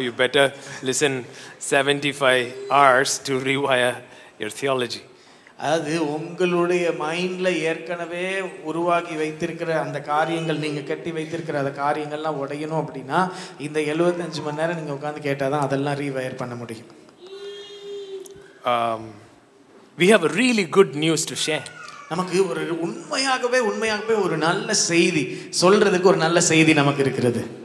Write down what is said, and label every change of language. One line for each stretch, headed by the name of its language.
English: You better listen 75 hours to rewire your theology.
Tamil: அது உங்களுடைய மைண்ட்ல ஏற்கனவே உருவாகி வைத்திருக்கிற அந்த காரியங்கள், நீங்க கட்டி வைத்திருக்கிற அந்த காரியங்கள்லாம் உடையணும் அப்படின்னா இந்த 75 மணி நேரம் நீங்க உட்கார்ந்து கேட்டாதான் அதெல்லாம் ரீவயர் பண்ண முடியும்.
English: We have a really good news to share.
Tamil: நமக்கு ஒரு உண்மையாகவே ஒரு நல்ல செய்தி சொல்றதுக்கு ஒரு நல்ல செய்தி நமக்கு இருக்கிறது.